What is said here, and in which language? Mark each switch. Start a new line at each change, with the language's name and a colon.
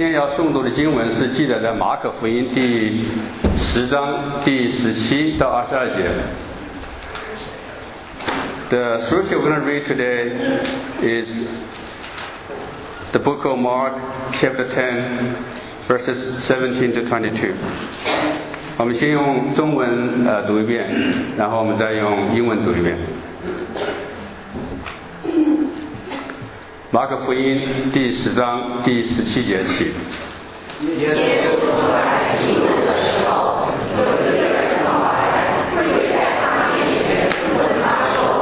Chinese: 诵读的经文是记载在马可福音第十章第十七到二十二节。
English: The scripture we're going to read today is the book of Mark, chapter 10, verses 17 to 22.
Chinese: 我们先用中文读一遍，然后我们再用英文读一遍。马可福音第十章第十七节起。耶稣出来进门的时候，有一个人老来，跪在他面前问他说：“